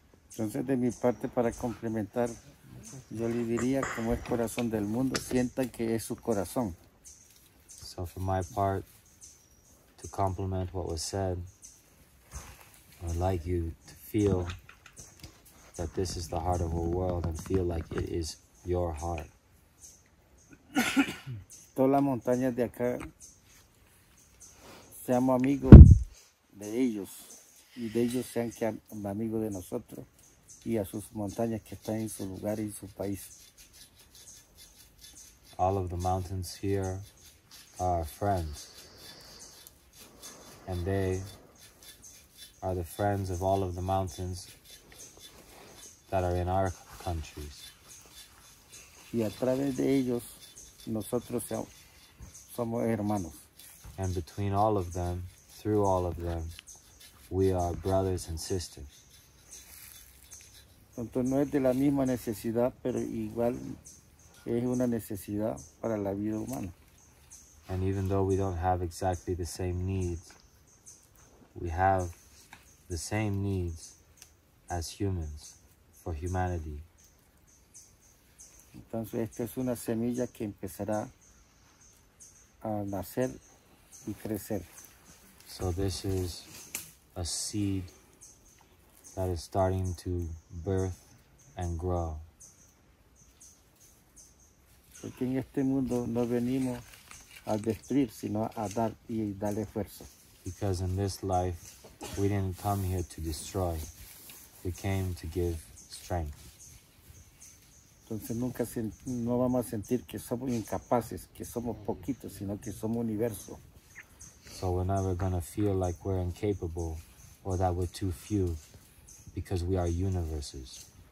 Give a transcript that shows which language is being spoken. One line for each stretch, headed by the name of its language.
Spanish: Entonces, de mi parte, para complementar, yo le diría como es corazón del mundo, sienta que es su corazón.
English: So for my part, to complement what was said, I'd like you to feel that this is the heart of our world and feel like it is your heart.
Spanish: Todas las montañas de acá, seamos amigos de ellos, y de ellos sean que amigos de nosotros, y a sus montañas que están en su lugar y en su país.
English: All of the mountains here are friends, and they are the friends of all of the mountains that are in our countries.
Spanish: Y a través de ellos, nosotros somos hermanos.
English: And between all of them, through all of them, we are brothers and sisters.
Spanish: Entonces no es de la misma necesidad, pero igual es una necesidad para la vida humana.
English: And even though we don't have exactly the same needs, we have the same needs as humans, for humanity.
Spanish: Entonces esta es una semilla que empezará a nacer y crecer.
English: So this is a seed that is starting to birth and grow.
Spanish: Porque en este mundo no venimos a destruir, sino a dar y darle fuerza.
English: Because in this life, we didn't come here to destroy. We came to give strength.
Spanish: Entonces nunca no vamos a sentir que somos incapaces, que somos poquitos, sino que somos universo.
English: So we're never going to feel like we're incapable or that we're too few, because we are universes.